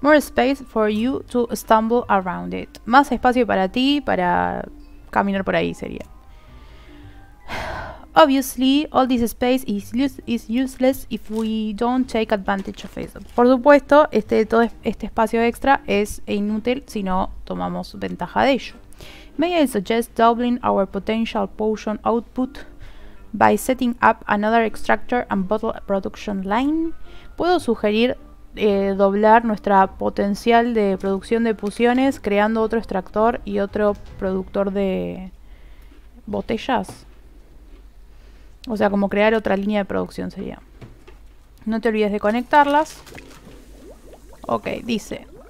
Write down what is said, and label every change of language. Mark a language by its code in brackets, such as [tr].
[en] More space for you to stumble around it. [es] Más espacio para ti, para caminar por ahí sería. [en] Obviously, all this space is useless if we don't take advantage of it. [es] Por supuesto, este espacio extra es inútil si no tomamos ventaja de ello. [en] May I suggest doubling our potential potion output by setting up another extractor and bottle production line? [es] Puedo sugerir doblar nuestra potencial de producción de pociones creando otro extractor y otro productor de botellas. O sea, como crear otra línea de producción sería. No te olvides de conectarlas. Ok, dice.